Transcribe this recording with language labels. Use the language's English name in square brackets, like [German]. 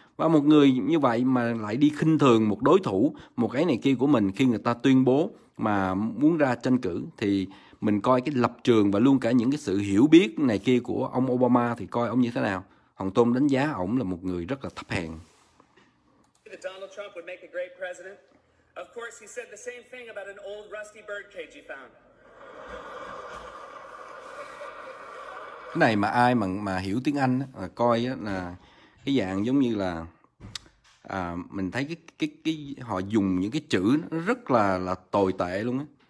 [Vietnamese] Và một người như vậy mà lại đi khinh thường một đối thủ, một cái này kia của mình khi người ta tuyên bố mà muốn ra tranh cử, thì mình coi cái lập trường và luôn cả những cái sự hiểu biết này kia của ông Obama thì coi ông như thế nào. Hồng Tôn đánh giá ông là một người rất là thấp hèn. [English] Donald Trump would make a great president. Of course, he said the same thing about an old rusty bird cage he found. [Vietnamese] Cái này mà ai mà hiểu tiếng Anh á, coi á, là cái dạng giống như là mình thấy cái họ dùng những cái chữ nó rất là tồi tệ luôn á.